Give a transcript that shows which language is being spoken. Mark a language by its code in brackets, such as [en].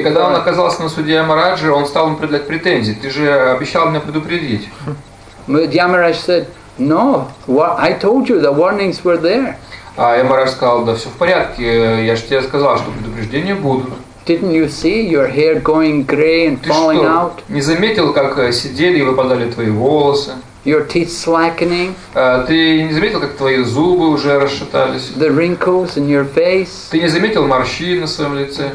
[ru] И когда он оказался на суде Ямараджа, он стал ему предъявлять претензии. Ты же обещал меня предупредить. [en] But Yamaraj said, no, I told you, the warnings were there. [ru] А Ямараж сказал, да все в порядке, я же тебе сказал, что предупреждения будут. [en] Didn't you see your hair going gray and falling out? [ru] Ты что, не заметил, как сидели и выпадали твои волосы? [en] Your teeth slackening. [ru] Ты не заметил, как твои зубы уже расшатались? [en] The wrinkles in your face. [ru] Ты не заметил морщины на своем лице?